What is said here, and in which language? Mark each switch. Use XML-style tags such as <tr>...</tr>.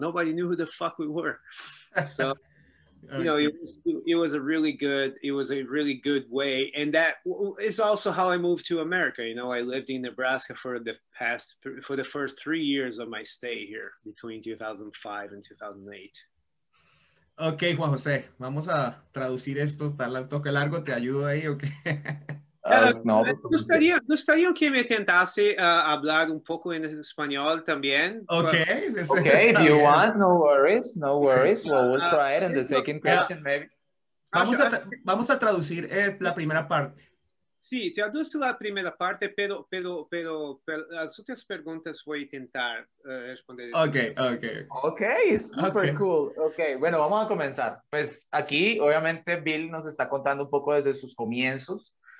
<en>Nobody knew who the fuck we were. So, you know, it was a really good way. And that is also how I moved to America. You know, I lived in Nebraska for the first 3 years of my stay here between 2005 and 2008.</en> <es>Okay, Juan José, vamos a traducir esto, tal toque largo, te ayudo ahí, okay? No, gustaría que me tentase hablar un poco en español también.</es> <en>Okay. Okay, if you want, no worries, no worries. Well, we'll try it in the second question, maybe.</en> <es>Vamos a traducir la primera parte. Sí, traduce la primera parte, pero las otras preguntas voy a intentar responder.</es> <en>Okay, super cool. Okay,</en> <es>bueno, vamos a comenzar. Pues aquí, obviamente, Bill nos está contando un poco desde sus comienzos.</es>